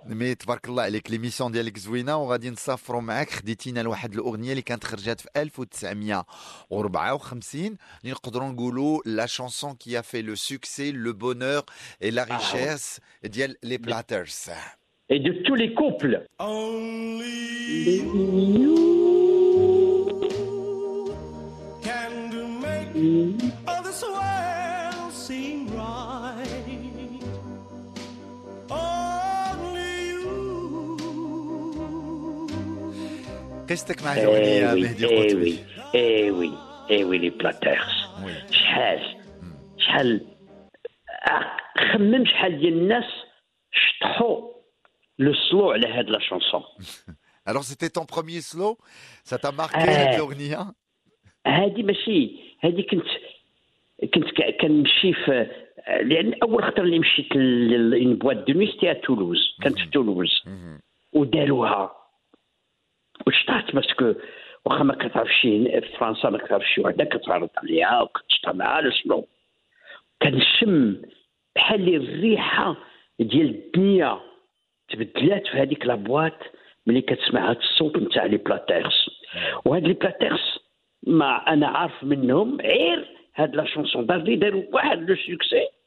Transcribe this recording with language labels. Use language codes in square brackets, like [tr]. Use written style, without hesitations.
[ar] مي تبارك الله عليك ليميسيون ديالك زوينه وغادي نسافروا معك خديتينا لواحد الاغنيه اللي كانت خرجات في 1954 اللي نقدروا نقولوا [fr] لا شانسون كي ا في لو سوكسي لو بونور اي لا ريشيس [ar] ديال لي بلاترز [fr] اي دو تو لي كوبل [en] Only All this world seem right. Only you. [ar] قصتك مع جوانيا مهدي قطبي. إيه وي لي بلاترز. شحال خمم شحال ديال الناس شطحوا لو سلو على هاد لا شونسون. [fr] Alors c'était ton premier slow? Ça t'a marqué cette journée? [ar] هادي ماشي هادي كنت كنمشي في لان اول خطر اللي مشيت لان [fr] بواد دو نويستي ا تولوز [ar] كانت في تولوز وداروها وشطحت باسكو واخا ما كتعرفش في فرنسا ما كتعرفش وحده كتعرض عليا وكتشطح معاها لو كنشم بحال الريحه ديال الدنيا تبدلات في هذيك لا بواط ملي كتسمع هاد الصوت نتاع لي بلاتيرس وهاد لي بلاتيرس ما انا عارف منهم غير هاد لا شونسون باغي داروا واحد لو سوكسي